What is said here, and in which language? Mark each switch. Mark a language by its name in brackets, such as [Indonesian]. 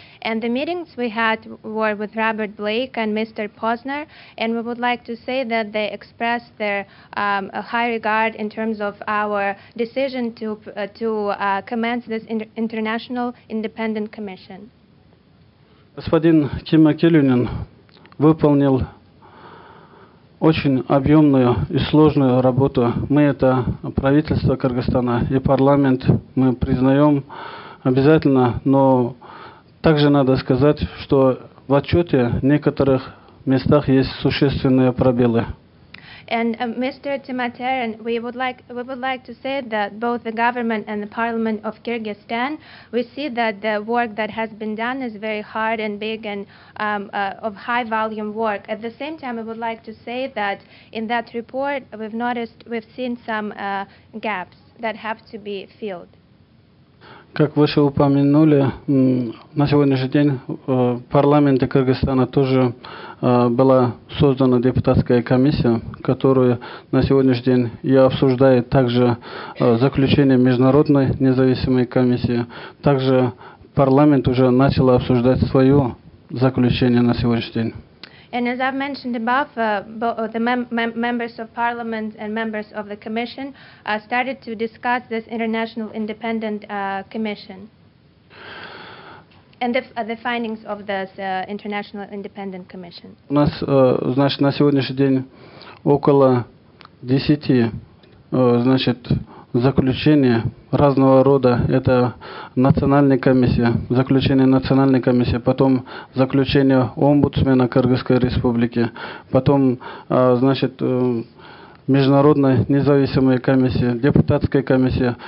[English] And the meetings we had were with Robert Blake and Mr. Posner. And we would like to say that they expressed their a high regard in terms of our decision to commence this international independent commission. [Russian] Господин Ким Маккеллинин выполнил очень объемную и сложную работу. Мы это правительство Кыргызстана и парламент, мы признаем обязательно, но также надо сказать, что в отчете в некоторых местах есть существенные пробелы. [English] And Mr. Timoteyan, we would like to say that both the government and the parliament of Kyrgyzstan, we see that the work that has been done is very hard and big and of high volume work. At the same time, we would like to say that in that report, we've seen some gaps that have to be filled. [Russian] Как выше упомянули, на сегодняшний день в парламенте Кыргызстана тоже была создана депутатская комиссия, которая на сегодняшний день и обсуждает также заключение международной независимой комиссии. Также парламент уже начал обсуждать свое заключение на сегодняшний день. [English] And as I've mentioned above, the members of parliament and members of the commission started to discuss this international independent commission and the findings of this international independent commission. [Russian] У нас, значит, на сегодняшний день около 10, значит, заключения разного рода. Это национальная комиссия, заключение национальной комиссии, потом заключение омбудсмена Кыргызской Республики, потом, значит, международная независимая комиссия, депутатская комиссия.